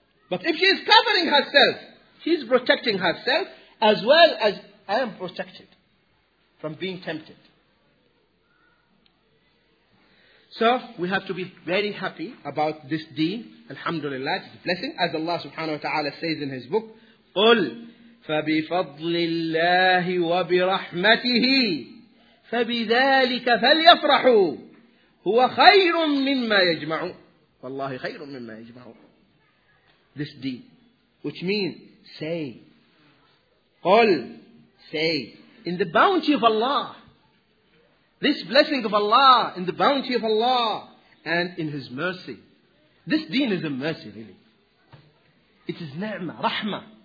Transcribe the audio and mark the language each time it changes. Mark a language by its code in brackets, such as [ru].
[en] But if she is covering herself, she's protecting herself as well as I am protected from being tempted. So we have to be very happy about this deen. Alhamdulillah, it's a blessing. As Allah subhanahu wa ta'ala says in His book, [ar] قُلْ فَبِفَضْلِ اللَّهِ وَبِرَحْمَتِهِ فَبِذَلِكَ فَلْيَفْرَحُوا هُوَ خَيْرٌ مِّمَّا يَجْمَعُونَ وَاللَّهِ خَيْرٌ مِّمَّا يَجْمَعُونَ. [en] This deen, which means, say, قُلْ, say, in the bounty of Allah, this blessing of Allah, in the bounty of Allah, and in His mercy. This deen is a mercy, really. It is ni'mah, rahmah.